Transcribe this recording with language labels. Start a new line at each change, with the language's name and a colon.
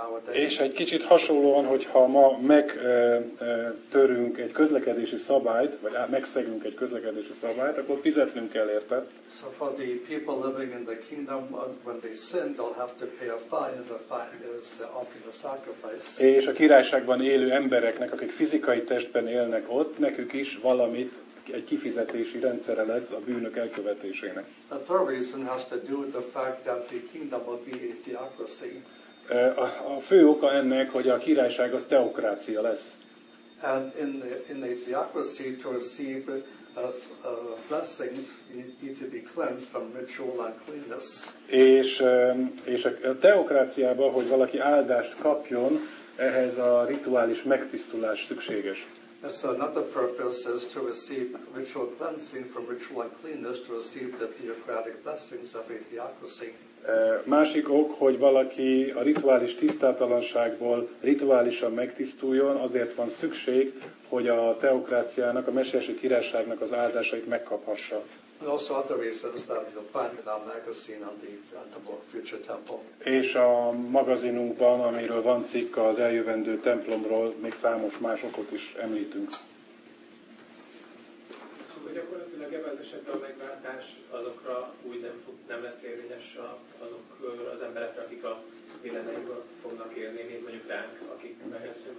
Hungarian: És egy kicsit hasonlóan, hogyha ma megtörünk egy közlekedési szabályt, vagy megszegünk egy közlekedési szabályt, akkor fizetnünk kell érte.
English: So for the people living in the kingdom, when they sin, they'll have to pay a fine, and the fine is often a sacrifice.
Hungarian: És a királyságban élő embereknek, akik fizikai testben élnek ott, nekük is valamit, egy kifizetési rendszere lesz a bűnök elkövetésének.
English: The third reason has to do with the fact that the kingdom will be a theocracy.
Hungarian: A fő oka ennek, hogy a királyság az teokrácia lesz.
English: And in a theocracy, to receive blessings, you need to be cleansed from ritual uncleanness.
Hungarian: És a teokráciában, hogy valaki áldást kapjon, ehhez a rituális megtisztulás szükséges.
English: So another purpose is to receive ritual cleansing from ritual uncleanness to receive the theocratic blessings of a theocracy.
Hungarian: Másik ok, hogy valaki a rituális tisztátalanságból rituálisan megtisztuljon, azért van szükség, hogy a teokráciának, a mesiási királyságnak az áldásait megkaphassa.
English: And also other reasons that you'll find in our magazine on the future temple.
Hungarian: És a magazinunkban, amiről van cikk az eljövendő templomról, még számos más okot is említünk. Hogy gyakorlatilag ebben az esetben a megváltás azokra úgy nem lesz érvényes azokra az emberekre, akik a véleményből fognak élni, mint mondjuk ránk, akik megesztünk